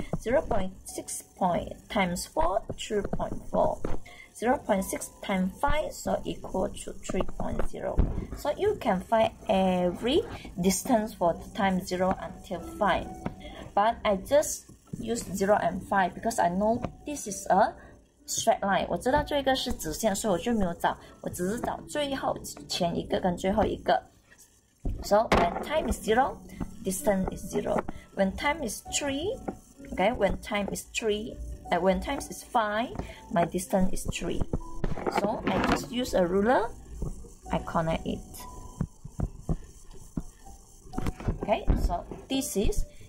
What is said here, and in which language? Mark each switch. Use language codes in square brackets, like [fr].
[en] 0.6 point times 4, 2.4. 0.6 times 5, so equal to 3.0. So you can find every distance for the time 0 until 5. But I just use 0 and 5 because I know this is a straight line. [zh] 我知道这个是直线，所以我就没有找，我只是找最后前一个跟最后一个。 [en] So when time is 0, distance is 0. When time is 3, okay, when time is 3, and when time is 5, my distance is 3. So I just use a ruler, I connect it. Okay, so this is